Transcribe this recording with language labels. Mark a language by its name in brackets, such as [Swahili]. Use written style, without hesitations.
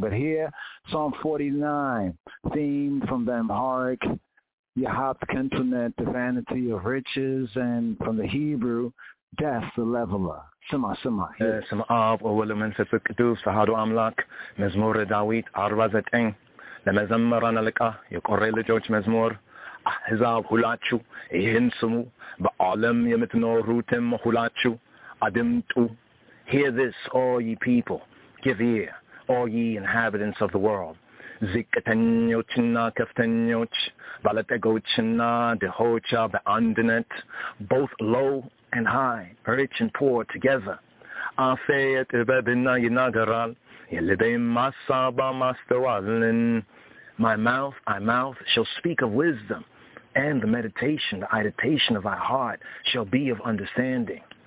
[English] But here, Psalm 49, theme from the Amharic, Yahab Kentonet, the vanity of riches, and from the Hebrew, death, the leveler. [Amharic] ለመዘመራን አለቃ የቆሬ ልጆች መዝሙር አህዛብ ሁላችሁ ይህን ስሙ በዓለም የምትኖሩትም ሁላችሁ አድምጡ [English] Hear this, all ye people. Give ear, all ye inhabitants of the world. [Amharic] ዝቅተኞችና ከፍተኞች ባለጠጎችና ድሆች በአንድነት [English] Both low and high, rich and poor together. [Amharic] አፌ የጥበብና ይናገራል የልቤም አሳብ ማስተዋልን [English] My mouth shall speak of wisdom, and the meditation of thy heart shall be of understanding.